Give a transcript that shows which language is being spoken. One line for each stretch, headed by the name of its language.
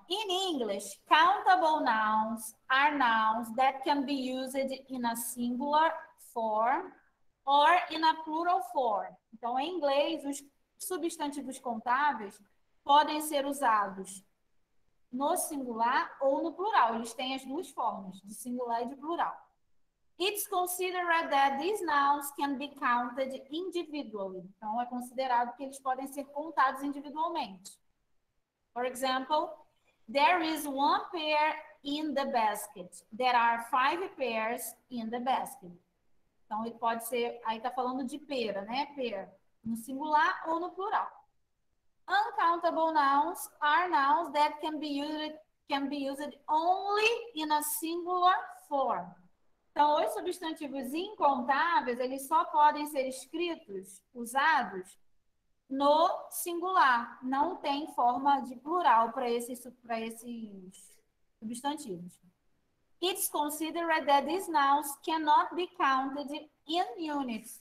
English: In English, countable nouns are nouns that can be used in a singular form or in a plural form.
Portuguese: Então, em inglês, os substantivos contáveis podem ser usados no singular ou no plural. Eles têm as duas formas, de singular e de plural.
English: It's considered that these nouns can be counted individually.
Portuguese: Então, é considerado que eles podem ser contados individualmente.
English: For example, there is one pair in the basket. There are 5 pairs in the basket.
Portuguese: Então, ele pode ser, aí tá falando de pera, né?
English: Pair,
Portuguese: no singular ou no plural.
English: Uncountable nouns are nouns that can be used only in a singular form.
Portuguese: Então, os substantivos incontáveis, eles só podem ser escritos, usados, no singular. Não tem forma de plural para esses substantivos.
English: It's considered that these nouns cannot be counted in units.